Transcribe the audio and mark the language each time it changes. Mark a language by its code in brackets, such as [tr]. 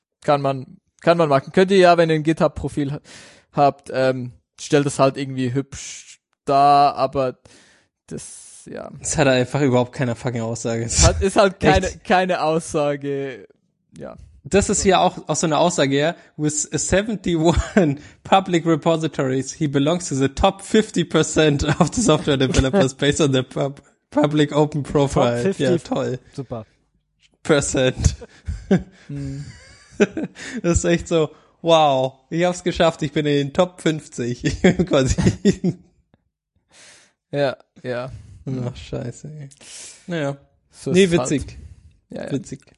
[de] Kann man machen. Könnt ihr ja, wenn ihr ein GitHub-Profil habt, stellt es halt irgendwie hübsch dar, aber das, ja. Das hat einfach überhaupt keine fucking Aussage. Ist halt keine Aussage, ja. Das ist hier auch so eine Aussage, ja. [en] With 71 public repositories, he belongs to the top 50% of the software developers based on their public open profile. [de] Top 50. Ja, toll. Super. [en] Percent. [de] Das ist echt so, wow, ich hab's geschafft, ich bin in den Top 50. Quasi. Ja. Ach, scheiße, ey. Naja. So nee, witzig. Halt. Ja, witzig. Ja.